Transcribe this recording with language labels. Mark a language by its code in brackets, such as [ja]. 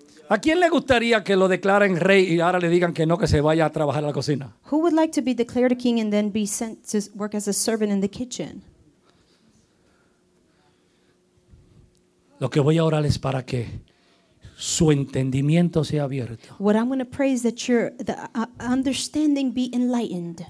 [es] ¿A quién le gustaría que lo declaren rey y ahora le digan que no, que se vaya a trabajar a la cocina? [en] Who would like to be declared a king and then be sent to work as a servant in the kitchen? [es] Lo que voy a orar es para que su entendimiento sea abierto. [en] What I'm going to pray is that your understanding be enlightened.